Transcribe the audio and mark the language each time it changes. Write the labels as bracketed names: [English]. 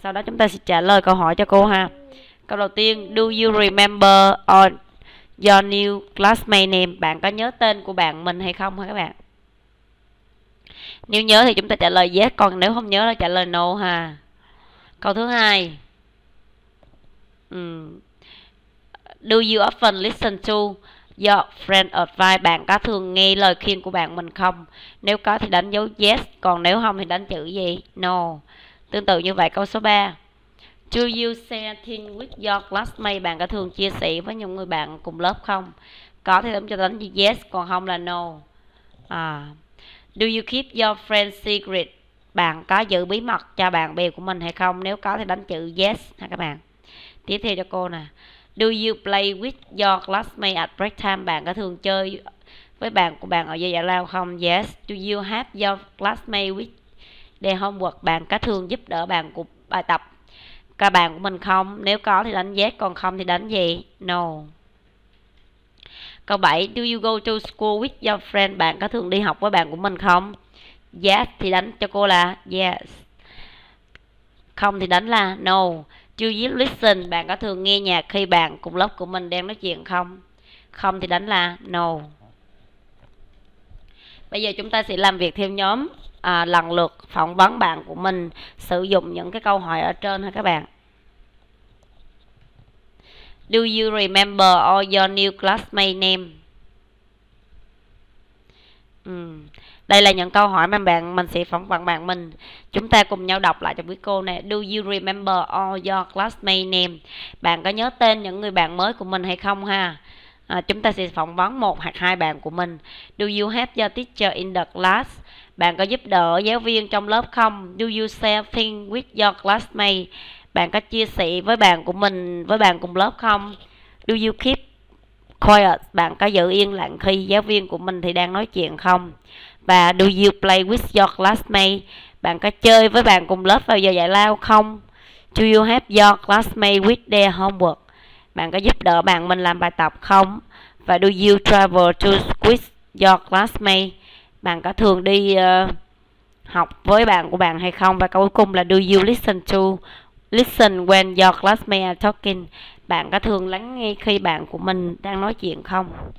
[Vietnamese] Sau đó chúng ta sẽ trả lời câu hỏi cho cô ha. Câu đầu tiên, [English] do you remember your new classmate name? [Vietnamese] Bạn có nhớ tên của bạn mình hay không hả các bạn? Nếu nhớ thì chúng ta trả lời yes, còn nếu không nhớ là trả lời no ha. Câu thứ hai. [English] Do you often listen to your friend advice? [Vietnamese] Bạn có thường nghe lời khuyên của bạn mình không? Nếu có thì đánh dấu yes, còn nếu không thì đánh chữ gì? No. Tương tự như vậy câu số 3. [English] Do you share things with your classmates? [Vietnamese] Bạn có thường chia sẻ với những người bạn cùng lớp không? Có thì đánh cho đánh yes, còn không là no. [English] Do you keep your friend's secret? [Vietnamese] Bạn có giữ bí mật cho bạn bè của mình hay không? Nếu có thì đánh chữ yes ha các bạn. Tiếp theo cho cô nè. [English] Do you play with your classmates at break time? [Vietnamese] Bạn có thường chơi với bạn của bạn ở giờ giải lao không? [English] Yes. Do you help your classmates with their homework? [Vietnamese] Bạn có thường giúp đỡ bạn của bài tập các bạn của mình không? Nếu có thì đánh yes, còn không thì đánh gì? No. Câu 7. [English] Do you go to school with your friend? [Vietnamese] Bạn có thường đi học với bạn của mình không? Yes thì đánh cho cô là yes. Không thì đánh là no. [English] Do you listen? [Vietnamese] Bạn có thường nghe nhạc khi bạn cùng lớp của mình đang nói chuyện không? Không thì đánh là no. Bây giờ chúng ta sẽ làm việc theo nhóm, lần lượt phỏng vấn bạn của mình sử dụng những cái câu hỏi ở trên ha các bạn. [English] Do you remember all your new classmate name? [Vietnamese] Đây là những câu hỏi mà mình sẽ phỏng vấn bạn mình. Chúng ta cùng nhau đọc lại cho quý cô nè. [English] Do you remember all your classmate name? [Vietnamese] Bạn có nhớ tên những người bạn mới của mình hay không ha? Chúng ta sẽ phỏng vấn một hoặc hai bạn của mình. [English] Do you help your teacher in the class? [Vietnamese] Bạn có giúp đỡ giáo viên trong lớp không? [English] Do you share things with your classmate? [Vietnamese] Bạn có chia sẻ với bạn của mình, với bạn cùng lớp không? [English] Do you keep quiet? [Vietnamese] Bạn có giữ yên lặng khi giáo viên của mình thì đang nói chuyện không? Và [English] do you play with your classmate? [Vietnamese] Bạn có chơi với bạn cùng lớp vào giờ giải lao không? [English] Do you help your classmate with their homework? [Vietnamese] Bạn có giúp đỡ bạn mình làm bài tập không? [English] Và do you travel to with your classmate? [Vietnamese] Bạn có thường đi học với bạn của bạn hay không? Và câu cuối cùng là [English] do you listen when your classmate are talking? [Vietnamese] Bạn có thường lắng nghe khi bạn của mình đang nói chuyện không?